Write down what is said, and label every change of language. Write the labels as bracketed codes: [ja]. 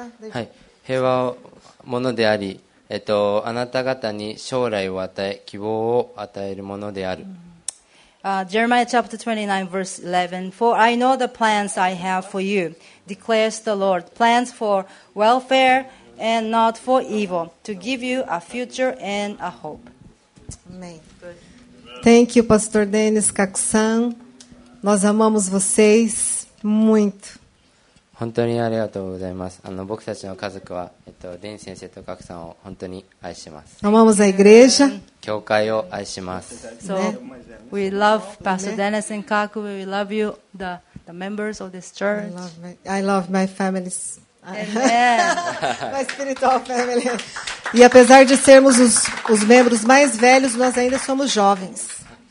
[ja] はい、平和をものであり、あなた方に将来を与え希望を与えるものである。 [en] Jeremiah chapter 29 verse 11. For I know the plans I have for you, declares the Lord. Plans for welfare. And not for evil, to give you a future and a hope. [pt] Amém. [en] Thank you, Pastor Dennis Kakusan. [pt] Nós amamos vocês muito. [ja] 本当にありがとうございます。僕たちの家族は、デン先生と Kakusan を本当に愛します。 [pt] Amamos a igreja. [ja] 教会を愛します。 [en] So, we love Pastor Dennis and Kaku. We love you, the members of this church. I love my families. Amen. My spiritual family. [pt] E apesar de sermos os membros mais velhos, nós ainda somos jovens.